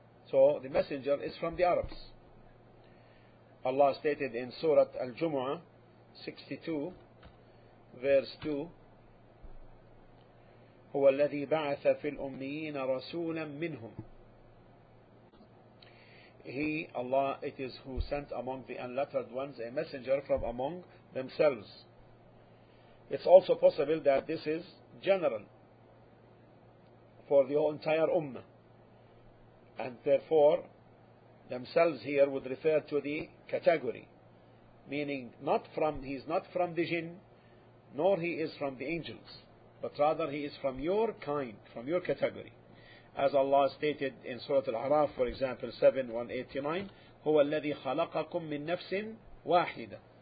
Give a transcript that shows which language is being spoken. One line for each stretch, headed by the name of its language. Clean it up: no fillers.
English: So the messenger is from the Arabs. Allah stated in Surah Al-Jumu'ah 62, verse 2,
Arabic: هو الذي بعث في الأميين رسولا منهم.
English: It is who sent among the unlettered ones a messenger from among themselves. It's also possible that this is general for the whole entire ummah, and therefore themselves here would refer to the category, meaning he is not from the jinn, nor he is from the angels, but rather he is from your kind, from your category, as Allah stated in Surah Al-A'raf, for example, 7:189,
Arabic: هو الذي خلقكم من نفس واحدة.